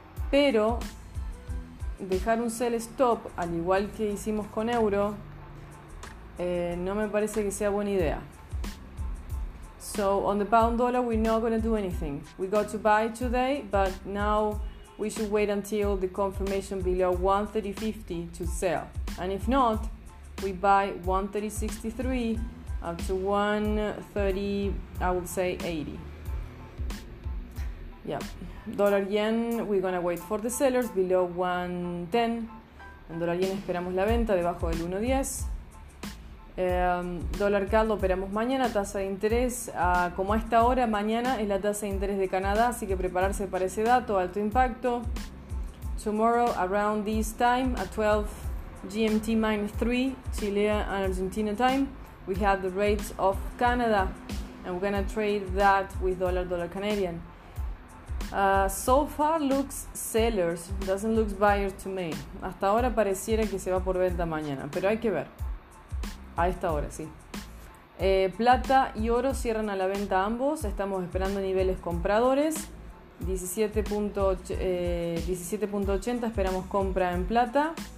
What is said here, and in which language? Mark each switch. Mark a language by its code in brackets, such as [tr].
[es] Pero dejar un sell stop, al igual que hicimos con euro, no me parece que sea buena idea. [en] So, on the pound dollar, we're not going to do anything. We got to buy today, but now we should wait until the confirmation below 130.50 to sell. And if not, we buy 130.63 up to 130, I would say, 80. Yeah. Dollar yen, we're gonna wait for the sellers below 1.10. [es] En dollar yen esperamos la venta debajo del 1.10. Dollar CAD lo operamos mañana, tasa de interés. Como a esta hora, mañana es la tasa de interés de Canadá, así que prepararse para ese dato, alto impacto. [en] Tomorrow, around this time, at 12 GMT minus 3, Chilean and Argentina time, we have the rates of Canada, and we're gonna trade that with dollar Canadian. So far looks sellers, doesn't look buyer to me. [es] Hasta ahora pareciera que se va por venta mañana, pero hay que ver. A esta hora, sí. Plata y oro cierran a la venta ambos. Estamos esperando niveles compradores. 17.80 esperamos compra en plata.